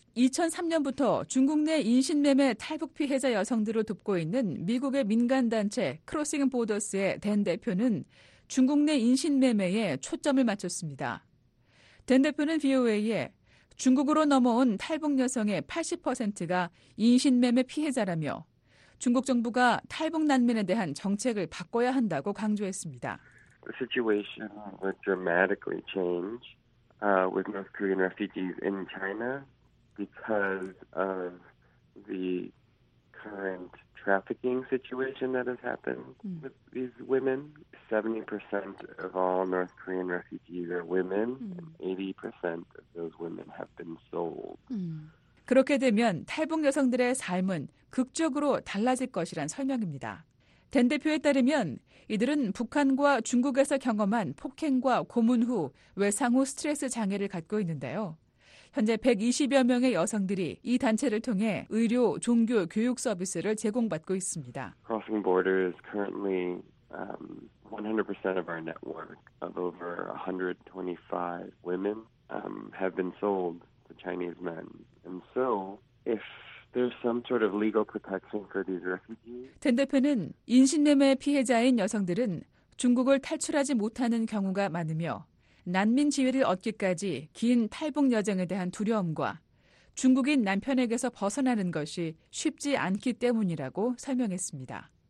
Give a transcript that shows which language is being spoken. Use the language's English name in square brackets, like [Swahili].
[Korean] 2003년부터 중국 내 인신매매 탈북 피해자 여성들을 돕고 있는 미국의 민간단체 크로싱 보더스의 댄 대표는 중국 내 인신매매에 초점을 맞췄습니다. 댄 대표는 VOA에 중국으로 넘어온 탈북 여성의 80%가 인신매매 피해자라며 중국 정부가 탈북 난민에 대한 정책을 바꿔야 한다고 강조했습니다. [English] The situation was dramatically changed with North Korean refugees in China. Because of the current trafficking situation that has happened with these women, 70% of all North Korean refugees are women, and 80% of those women have been sold. [Korean] 그렇게 되면 탈북 여성들의 삶은 극적으로 달라질 것이란 설명입니다. 댄 대표에 따르면 이들은 북한과 중국에서 경험한 폭행과 고문 후 외상 후 스트레스 장애를 갖고 있는데요. 현재 120여 명의 여성들이 이 단체를 통해 의료, 종교, 교육 서비스를 제공받고 있습니다. [English] Crossing Border is currently 100% of our network of over 125 women have been sold to Chinese men. And so, if there's some sort of legal protection for these refugees, [Korean] 댄 대표는 인신매매 피해자인 여성들은 중국을 탈출하지 못하는 경우가 많으며 난민 지위를 얻기까지 긴 탈북 여정에 대한 두려움과 중국인 남편에게서 벗어나는 것이 쉽지 않기 때문이라고 설명했습니다.